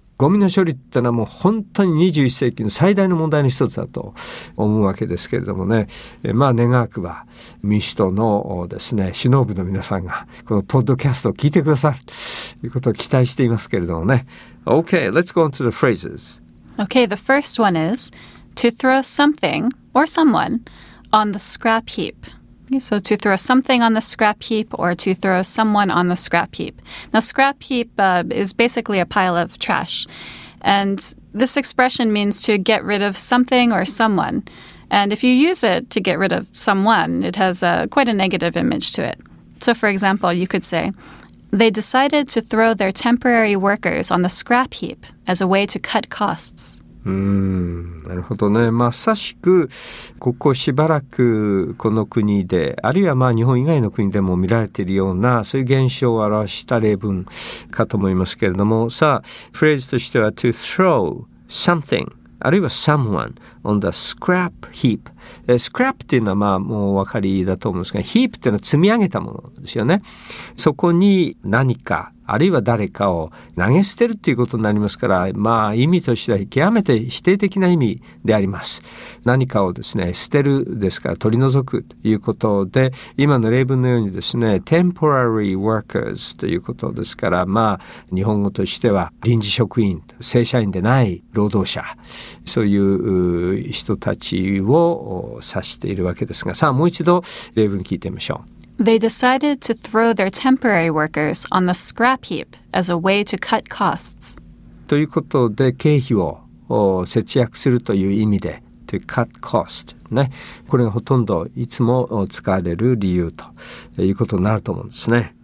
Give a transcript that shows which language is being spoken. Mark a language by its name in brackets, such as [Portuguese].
[Japanese] ゴミの処理ってのはもう本当に21世紀の最大の問題の一つだと思うわけですけれどもね。まあ願わくば民主党のですね、首脳部の皆さんがこのポッドキャストを聞いてくださるということを期待していますけれどもね。 [English] Okay, let's go on to the phrases. Okay, the first one is to throw something or someone on the scrap heap. So to throw something on the scrap heap or to throw someone on the scrap heap. Now, scrap heap is basically a pile of trash. And this expression means to get rid of something or someone. And if you use it to get rid of someone, it has quite a negative image to it. So, for example, you could say, they decided to throw their temporary workers on the scrap heap as a way to cut costs. [Japanese] なるほどね。まさしく、ここしばらくこの国で、あるいはまあ日本以外の国でも見られているような、そういう現象を表した例文かと思いますけれども、さあ、フレーズとしては、 [English] to throw something. [Japanese] あるいは [English] someone on the scrap heap。 [Japanese] scrap っていうのはまあもうお分かりだと思うんですが、 heap っていうのは積み上げたものですよね。そこに何かあるいは誰かを投げ捨てるっていうことになりますから、まあ意味としては極めて否定的な意味であります。何かをですね、捨てるですから取り除くということで、今の例文のようにですね、 [English] temporary workers [Japanese] ということですから、まあ日本語としては臨時職員、正社員でない労働者、そういう人たちを指しているわけですが、さあもう一度例文聞いてみましょう。 [English] They decided to throw their temporary workers on the scrap heap as a way to cut costs. [Japanese] ということで、経費を節約するという意味で、 [English] to cut cost、 [Japanese] ね、これがほとんどいつも使われる理由ということになると思うんですね。